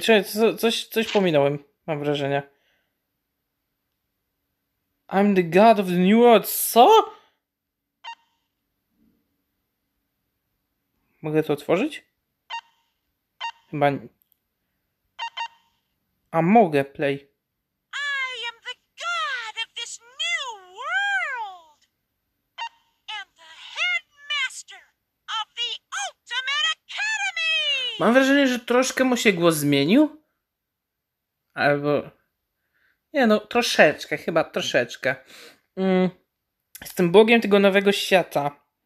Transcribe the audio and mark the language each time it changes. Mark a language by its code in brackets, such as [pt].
[pl] Czekaj, coś pominąłem, mam wrażenie. [en] I'm the god of the new world. [pl] Co? Mogę to otworzyć? Chyba nie. A mogę, play. [en] I am the god of this new world. And the headmaster of the Ultimate Academy. [pl] Mam wrażenie, że troszkę mu się głos zmienił. Albo... Nie no, troszeczkę, chyba troszeczkę. Jestem bogiem tego nowego świata.